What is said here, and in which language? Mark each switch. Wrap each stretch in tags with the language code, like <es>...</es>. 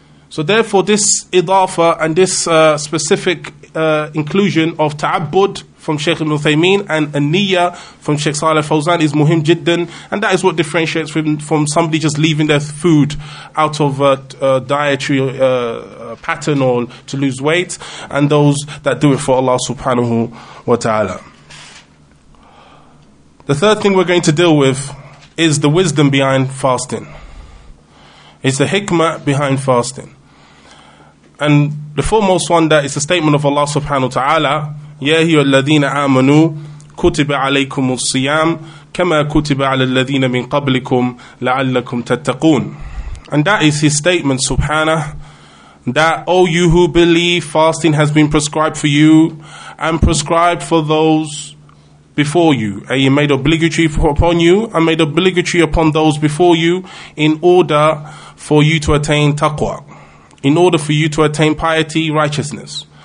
<en>So therefore, this idafa and this specific inclusion of ta'abbud from Shaykh Ibn Uthaymeen and an-niyya from Shaykh Saleh Fawzan is muhim jiddan, and that is what differentiates from somebody just leaving their food out of a dietary pattern or to lose weight, and those that do it for Allah subhanahu wa ta'ala. The third thing we're going to deal with is the wisdom behind fasting. It's the hikmah behind fasting. And the foremost one, that is the statement of Allah subhanahu wa ta'ala,</en> <ar>يَا هِيُوَ الَّذِينَ آمَنُوا كُتِبَ عَلَيْكُمُ الصِّيَامُ كَمَا كُتِبَ عَلَى الَّذِينَ مِنْ قَبْلِكُمْ لَعَلَّكُمْ تَتَّقُونَ.</ar> <en>And that is his statement, subhanah, that, O you who believe, fasting has been prescribed for you and prescribed for those before you, and he made obligatory upon you and made obligatory upon those before you in order for you to attain taqwa, in order for you to attain piety, righteousness.</en>